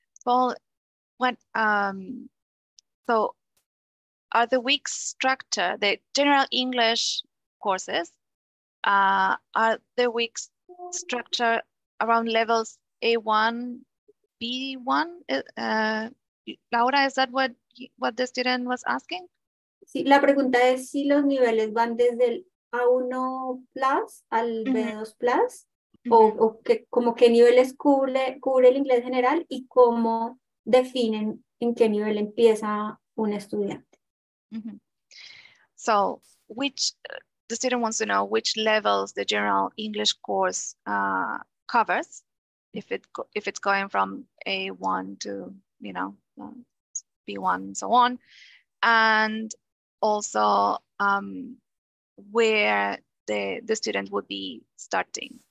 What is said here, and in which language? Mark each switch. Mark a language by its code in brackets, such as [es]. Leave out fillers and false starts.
[en] Paul, so are the weeks structured, the general English courses, are the weeks structured around levels A1, B1? Laura, is that what the student was asking? [es] Sí, la pregunta es si los niveles van desde el A1 plus al B2 plus. O que, como qué niveles cubre el inglés general, y cómo definen en qué nivel empieza un estudiante. Mm-hmm. [en] So, the student wants to know which levels the general English course covers, if it's going from A1 to, you know, B1 and so on, and also where the student would be starting.